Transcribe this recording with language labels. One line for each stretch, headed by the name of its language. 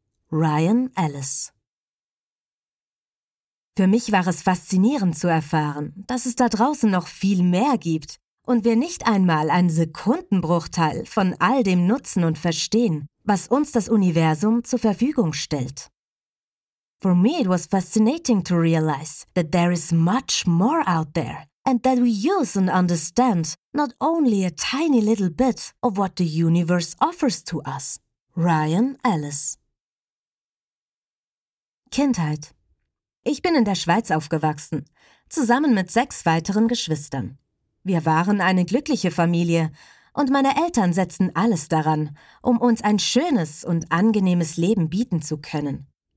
German: Ryan Ellis. Für mich war es faszinierend zu erfahren, dass es da draußen noch viel mehr gibt und wir nicht einmal einen Sekundenbruchteil von all dem nutzen und verstehen, was uns das Universum zur Verfügung stellt.
English: For me it was fascinating to realize that there is much more out there and that we use and understand not only a tiny little bit of what the universe offers to us.
German: Ryan Ellis. Kindheit. Ich bin in der Schweiz aufgewachsen, zusammen mit 6 weiteren Geschwistern. Wir waren eine glückliche Familie und meine Eltern setzten alles daran, um uns ein schönes und angenehmes Leben bieten zu können.